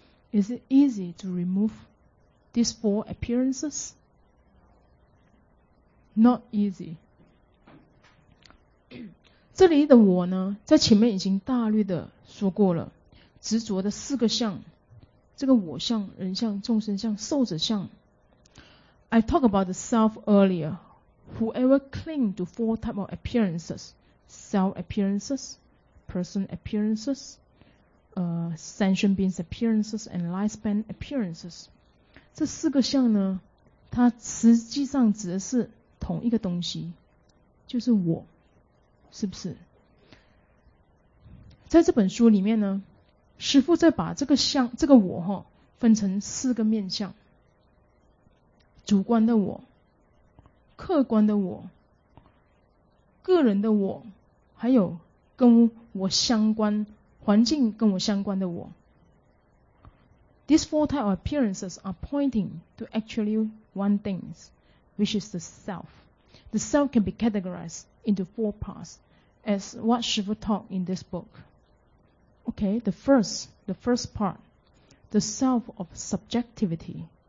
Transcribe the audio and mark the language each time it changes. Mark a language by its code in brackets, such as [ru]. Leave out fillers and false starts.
[en] Is it easy to remove these four appearances? Not easy. [zh] 这里的我呢，在前面已经大略的说过了，执着的四个相，这个我相、人相、众生相、受者相。 [en] I talk about the self earlier. Whoever cling to four type of appearances, self appearances, person appearances, sentient beings appearances, and lifespan appearances. [zh] 这四个相呢，它实际上指的是同一个东西，就是我。是不是在这本书里面呢，师父在把这个相这个我哈分成四个面相，主观的我、客观的我、个人的我，还有跟我相关环境跟我相关的我。 [en] These four type of appearances are pointing to actually one thing, which is the self. The self can be categorized into four parts. As what Shifu taught in this book. Okay, the first part, the self of subjectivity.